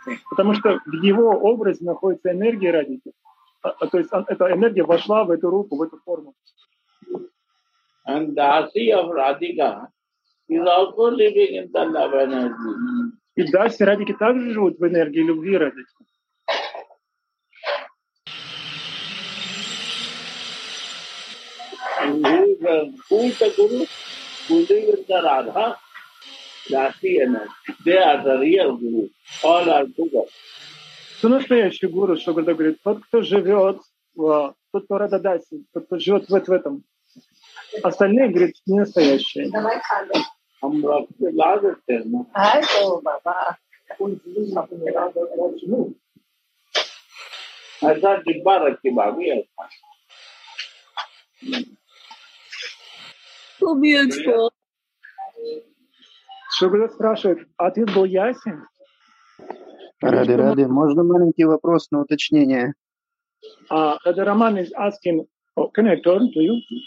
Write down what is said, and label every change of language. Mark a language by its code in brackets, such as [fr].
[ru] Потому что в его образе находится энергия Радхи. То есть эта энергия вошла в эту руку, в эту форму. [en] And Dasi of Radhika is also living in the love energy. [ru] И Даси Радхики также живут в энергии любви Радхики. [en] And who is the guru? Who lives in the Radha? Dasi energy. They are the real guru. All are Buddha. [ru] Кто настоящий гуру, что говорит, тот, кто живет, тот, кто Радха Даси, тот, кто живет вот в этом. Остальные, говорит, не настоящие. Шогурда спрашивает, ответ был ясен? Ради, ради. Можно маленький вопрос на уточнение? [en] Радха Раман is asking, oh, can I turn to you?